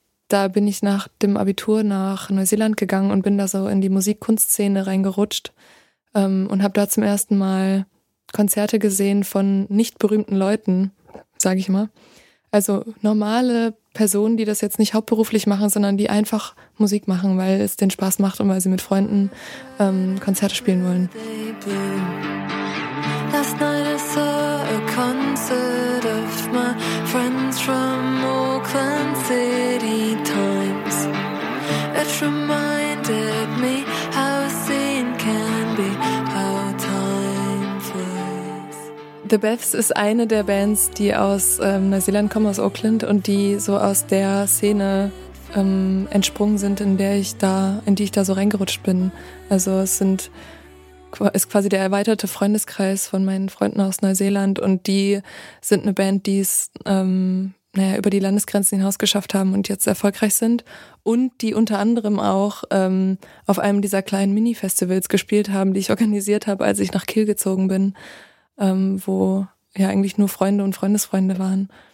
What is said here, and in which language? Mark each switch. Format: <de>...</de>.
<de>da bin ich nach dem Abitur nach Neuseeland gegangen und bin da so in die Musikkunstszene reingerutscht und habe da zum ersten Mal Konzerte gesehen von nicht berühmten Leuten, sage ich mal. Also normale Personen, die das jetzt nicht hauptberuflich machen, sondern die einfach Musik machen, weil es denen Spaß macht und weil sie mit Freunden Konzerte spielen wollen.</de> <en>Last night I saw a concert of my friends from Auckland City Times. It reminded me how a scene can be, how time flies.</en> <de>The Beths ist eine der Bands, die aus Neuseeland kommen, aus Auckland, und die so aus der Szene entsprungen sind, in die ich da so reingerutscht bin. Also ist quasi der erweiterte Freundeskreis von meinen Freunden aus Neuseeland, und die sind eine Band, die es über die Landesgrenzen hinaus geschafft haben und jetzt erfolgreich sind und die unter anderem auch auf einem dieser kleinen Mini-Festivals gespielt haben, die ich organisiert habe, als ich nach Kiel gezogen bin, wo ja eigentlich nur Freunde und Freundesfreunde waren.</de>